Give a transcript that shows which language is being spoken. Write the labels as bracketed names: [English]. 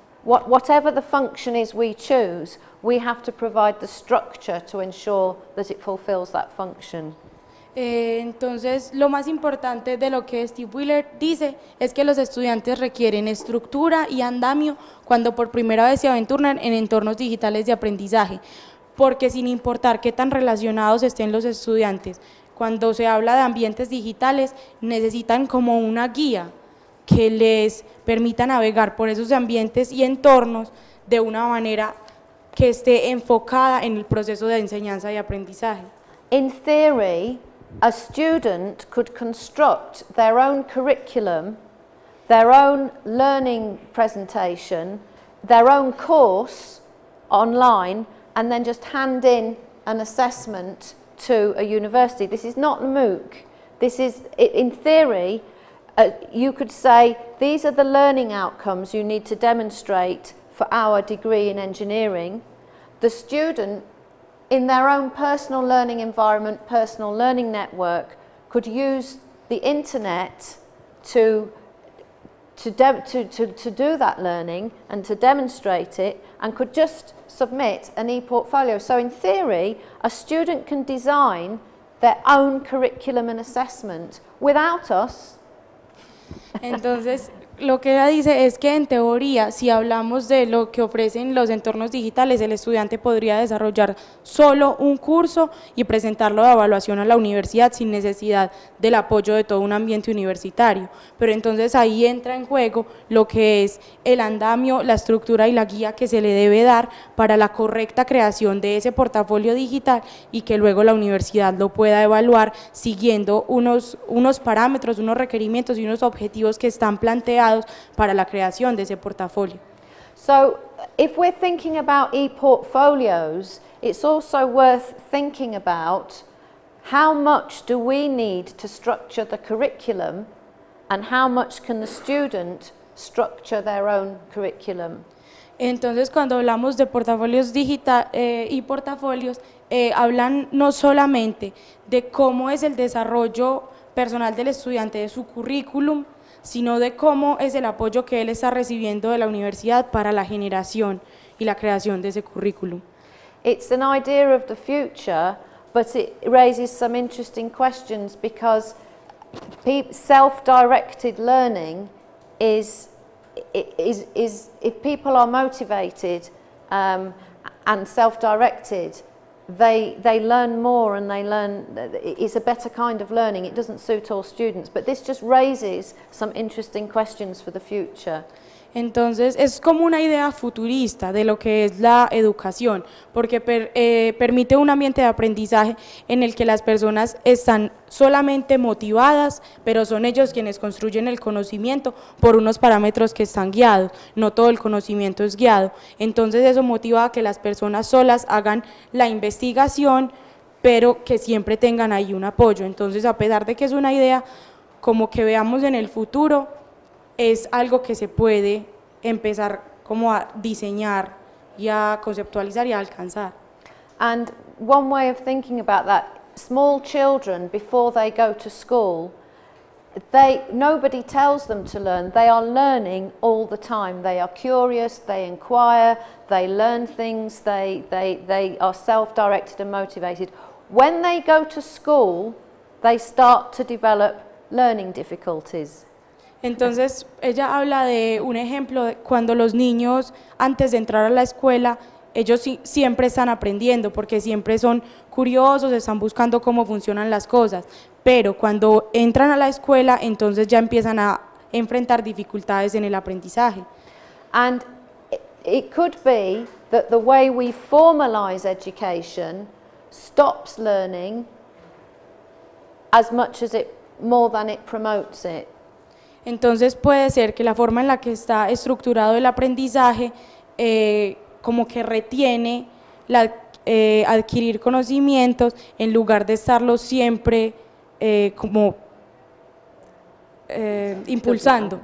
[English] Whatever the function is we choose, we have to provide the structure to ensure that it fulfills that function. [Spanish] Entonces, lo más importante de lo que Steve Wheeler dice es que los estudiantes requieren estructura y andamio cuando por primera vez se aventuran en entornos digitales de aprendizaje, porque sin importar qué tan relacionados estén los estudiantes, cuando se habla de ambientes digitales necesitan como una guía que les permita navegar por esos ambientes y entornos de una manera que esté enfocada en el proceso de enseñanza y aprendizaje. [English] In theory, a student could construct their own curriculum, their own learning presentation, their own course online, and then just hand in an assessment to a university. This is not a MOOC. This is, in theory, you could say, these are the learning outcomes you need to demonstrate for our degree in engineering. The student in their own personal learning environment, personal learning network, could use the internet to do that learning and to demonstrate it, and could just submit an e-portfolio. So in theory, a student can design their own curriculum and assessment without us. [Spanish] Entonces, lo que ella dice es que en teoría, si hablamos de lo que ofrecen los entornos digitales, el estudiante podría desarrollar solo un curso y presentarlo de evaluación a la universidad sin necesidad del apoyo de todo un ambiente universitario. Pero entonces ahí entra en juego lo que es el andamio, la estructura y la guía que se le debe dar para la correcta creación de ese portafolio digital y que luego la universidad lo pueda evaluar siguiendo unos parámetros, unos requerimientos y unos objetivos que están planteados para la creación de ese portafolio. [English] So, if we're thinking about e-portfolios, it's also worth thinking about how much do we need to structure the curriculum and how much can the student structure their own curriculum. [Spanish] Entonces, cuando hablamos de portafolios digitales y portafolios, hablan no solamente de cómo es el desarrollo personal del estudiante de su currículum, sino de cómo es el apoyo que él está recibiendo de la universidad para la generación y la creación de ese currículum. [English] It's an idea of the future, but it raises some interesting questions because self-directed learning is if people are motivated and self-directed, they learn more and they learn, it's a better kind of learning, it doesn't suit all students, but this just raises some interesting questions for the future. [Spanish] Entonces, es como una idea futurista de lo que es la educación, porque permite un ambiente de aprendizaje en el que las personas están solamente motivadas, pero son ellos quienes construyen el conocimiento por unos parámetros que están guiados. No todo el conocimiento es guiado. Entonces, eso motiva a que las personas solas hagan la investigación, pero que siempre tengan ahí un apoyo. Entonces, a pesar de que es una idea como que veamos en el futuro, es algo que se puede empezar como a diseñar y a conceptualizar y a alcanzar. [English] And one way of thinking about that, small children, before they go to school, nobody tells them to learn. They are learning all the time. They are curious, they inquire, they learn things, they are self-directed and motivated. When they go to school, they start to develop learning difficulties. [Spanish] Entonces, ella habla de un ejemplo de cuando los niños, antes de entrar a la escuela, ellos siempre están aprendiendo porque siempre son curiosos, están buscando cómo funcionan las cosas, pero cuando entran a la escuela, entonces ya empiezan a enfrentar dificultades en el aprendizaje. [English] And it could be that the way we formalize education stops learning as much as it, more than it promotes it. [Spanish] Entonces puede ser que la forma en la que está estructurado el aprendizaje como que retiene la, adquirir conocimientos en lugar de estarlo siempre impulsando.